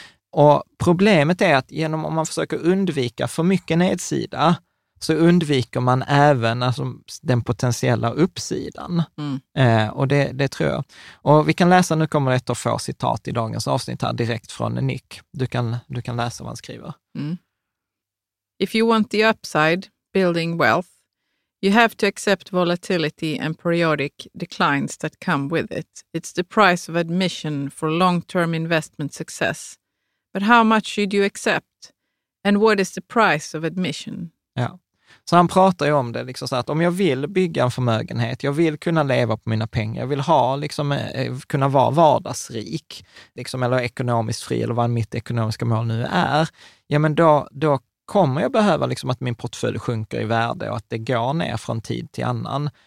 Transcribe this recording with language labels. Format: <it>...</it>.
<sv>Och problemet är att genom, om man försöker undvika för mycket nedsida, så undviker man även alltså den potentiella uppsidan. Mm. Och det tror jag. Och vi kan läsa, nu kommer ett av få citat i dagens avsnitt här direkt från Nick. Du kan läsa vad han skriver. Mm.</sv> <en>If you want the upside, building wealth, you have to accept volatility and periodic declines that come with it. It's the price of admission for long-term investment success. But how much should you accept? And what is the price of admission?</en> <sv>Ja, så han pratar ju om det liksom så att om jag vill bygga en förmögenhet, jag vill kunna leva på mina pengar, jag vill ha liksom kunna vara vardagsrik, liksom, eller ekonomiskt fri, eller vad mitt ekonomiska mål nu är, ja men då kommer jag behöva liksom att min portfölj sjunker i värde och att det går ner från tid till annan.</sv>